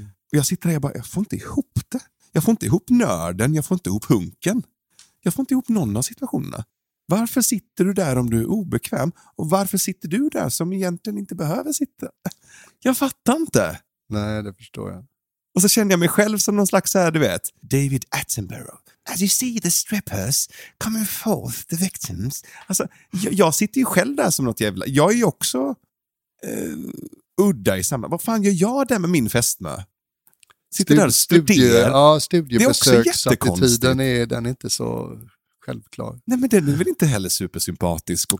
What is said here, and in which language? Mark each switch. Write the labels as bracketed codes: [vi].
[sv] Och jag sitter där och jag får inte ihop det. Jag får inte ihop nörden, jag får inte ihop hunken. Jag får inte ihop någon av situationerna. Varför sitter du där om du är obekväm? Och varför sitter du där som egentligen inte behöver sitta? Jag fattar inte. Nej, det förstår jag. Och så känner jag mig själv som någon slags, här, du vet, David Attenborough. [en] As you see the strippers coming forth, the victims. [sv] Alltså, jag sitter ju själv där som något jävla. Jag är ju också udda i samma. Vad fan gör jag där med min fästmö? Sitter där och studerar. Ja, studiebesöksattityden är, den är inte så självklar. Nej, men den är väl inte heller supersympatisk.